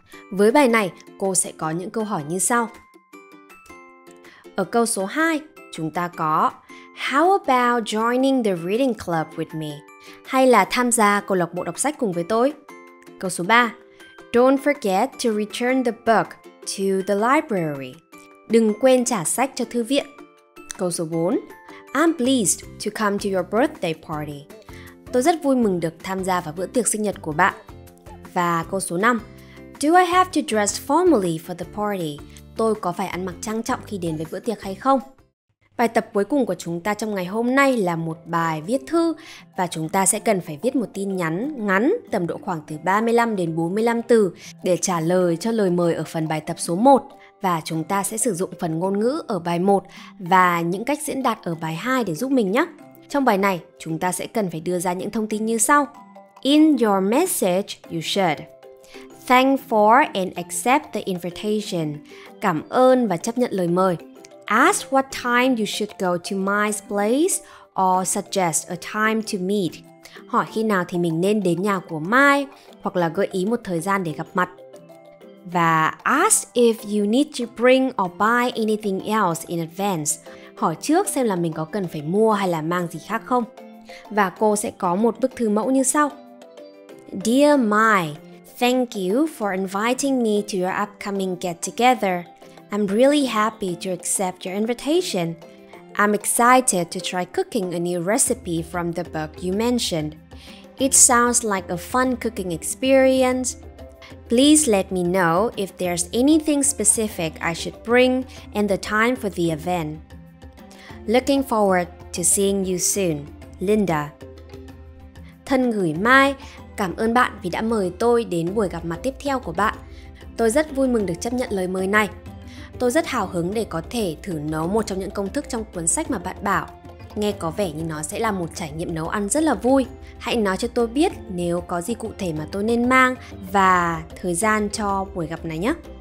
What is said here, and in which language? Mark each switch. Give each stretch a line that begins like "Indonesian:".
Vietnamese: Với bài này, cô sẽ có những câu hỏi như sau. Ở câu số 2, chúng ta có
English: How about joining the reading club with me?
Vietnamese: Hay là tham gia câu lạc bộ đọc sách cùng với tôi? Câu số 3
English: Don't forget to return the book to the library.
Vietnamese: Đừng quên trả sách cho thư viện. Câu số 4
English: I'm pleased to come to your birthday party.
Vietnamese: Tôi rất vui mừng được tham gia vào bữa tiệc sinh nhật của bạn. Và câu số 5
English: Do I have to dress formally for the party?
Vietnamese: Tôi có phải ăn mặc trang trọng khi đến với bữa tiệc hay không? Bài tập cuối cùng của chúng ta trong ngày hôm nay là một bài viết thư và chúng ta sẽ cần phải viết một tin nhắn ngắn tầm độ khoảng từ 35 đến 45 từ để trả lời cho lời mời ở phần bài tập số 1. Và chúng ta sẽ sử dụng phần ngôn ngữ ở bài 1 và những cách diễn đạt ở bài 2 để giúp mình nhé. Trong bài này, chúng ta sẽ cần phải đưa ra những thông tin như sau.
English: In your message, you should thank for and accept the invitation.
Vietnamese: Cảm ơn và chấp nhận lời mời.
English: Ask what time you should go to my place or suggest a time to meet.
Vietnamese: Hỏi khi nào thì mình nên đến nhà của Mai hoặc là gợi ý một thời gian để gặp mặt.
English: Và ask if you need to bring or buy anything else in advance.
Vietnamese: Hỏi trước xem là mình có cần phải mua hay là mang gì khác không. Và cô sẽ có một bức thư mẫu như sau.
English: Dear Mai, thank you for inviting me to your upcoming get-together. I'm really happy to accept your invitation. I'm excited to try cooking a new recipe from the book you mentioned. It sounds like a fun cooking experience. Please let me know if there's anything specific I should bring and the time for the event. Looking forward to seeing you soon, Linda.
Vietnamese: Thân gửi Mai, cảm ơn bạn vì đã mời tôi đến buổi gặp mặt tiếp theo của bạn. Tôi rất vui mừng được chấp nhận lời mời này. Tôi rất hào hứng để có thể thử nấu một trong những công thức trong cuốn sách mà bạn bảo. Nghe có vẻ như nó sẽ là một trải nghiệm nấu ăn rất là vui. Hãy nói cho tôi biết nếu có gì cụ thể mà tôi nên mang và thời gian cho buổi gặp này nhé.